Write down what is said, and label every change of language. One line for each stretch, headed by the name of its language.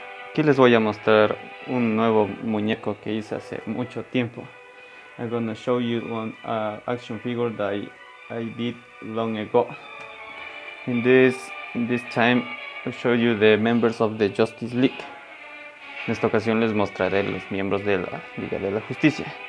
Spanish: Aquí les voy a mostrar un nuevo muñeco que hice hace mucho tiempo.
English: I'm gonna show you one action figure that I did long ago. In this time, I'll show you the members of the Justice League.
Spanish: En esta ocasión les mostraré los miembros de la Liga de la Justicia.